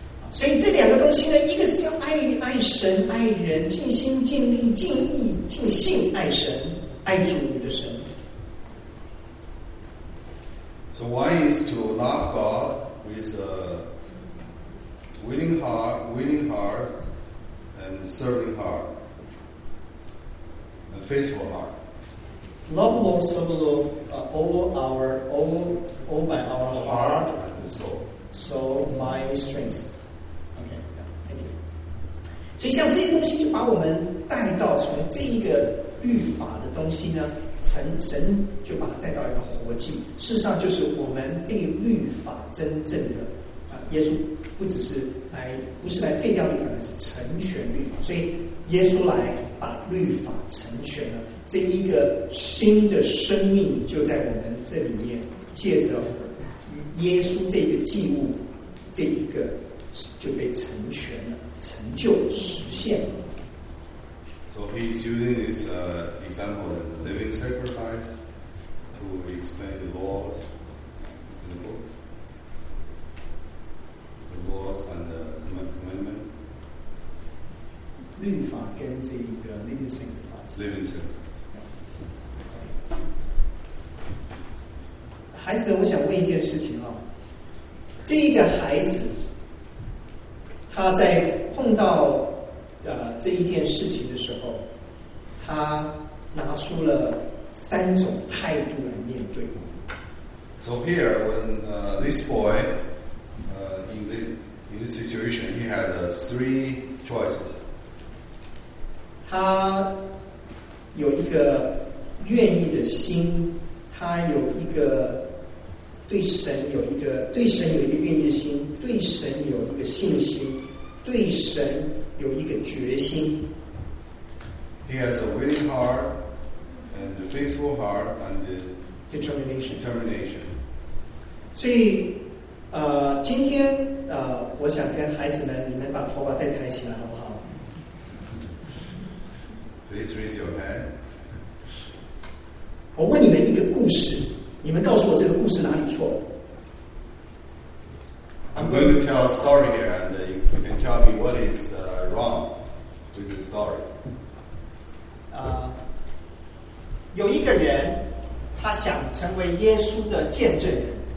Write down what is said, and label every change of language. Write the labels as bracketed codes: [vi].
[zh] 所以这两个东西呢，一个是要爱神爱人，尽心尽力尽意尽性爱神爱主你的神。 [en] So one is to love God with a willing heart, and serving heart, and faithful heart. Love Lord, serve Lord, all by our heart and soul. So my strength. Okay, thank you. [zh] 所以像这些东西就把我们带到从这一个律法的东西呢。神就把他带到一个活祭，事实上就是我们被律法真正的耶稣不是来废掉律法，而是成全律法。所以耶稣来把律法成全了，这一个新的生命就在我们这里面，借着耶稣这个祭物，这一个就被成全了，成就实现了。 [en] So he's using his example of the living sacrifice to explain the laws in the book. The laws and the commandments. [zh] 律法跟这一个 [en] living sacrifice. Living sacrifice. [zh] 孩子们，我想问一件事情啊。这一个孩子，他在碰到这一件事情的时候，他拿出了三种态度来面对。 [en] So here, when this boy in this situation, he had three choices. [zh] 他有一个愿意的心，他有一个对神有一个愿意的心，对神有一个信心，对神有一个决心。 [en] He has a willing heart and a faithful heart and determination. [zh] 所以，今天我想跟孩子们，你们把头发再抬起来，好不好 [en] ？Please raise your hand. [zh] 我问你们一个故事，你们告诉我这个故事哪里错。 [en] I'm going to tell a story here, and you can tell me what is wrong with the story. [zh] 有一个人，他想成为耶稣的见证人。